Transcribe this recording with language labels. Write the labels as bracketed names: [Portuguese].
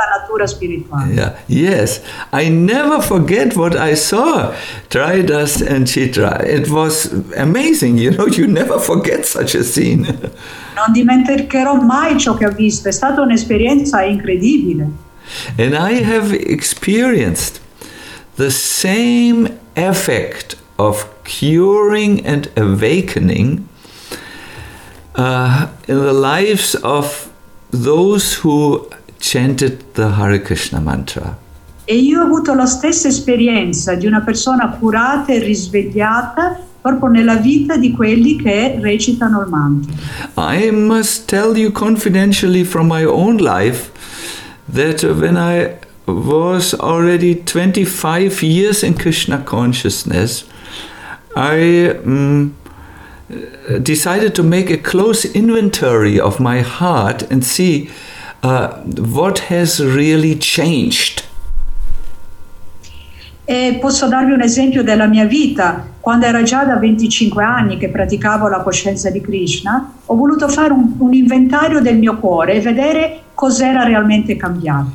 [English] I never forget what I saw, Tridas and Chitra. It was amazing, you know, you never forget such a scene. [Italian] Non dimenticherò mai ciò che ho visto, è stata un'esperienza incredibile. [English] And I have experienced the same effect of curing and awakening in the lives of those who chanted the Hare Krishna mantra. [Italian] E io ho avuto la stessa esperienza di una persona curata e risvegliata proprio nella vita di quelli che recitano il mantra. [English] I must tell you confidentially from my own life that when I was already 25 years in Krishna consciousness, I decided to make a close inventory of my heart and see what has really changed. [Italian] E posso darvi un esempio della mia vita. Quando era già da 25 anni che praticavo la coscienza di Krishna, ho voluto fare un inventario del mio cuore e vedere cos'era realmente cambiato.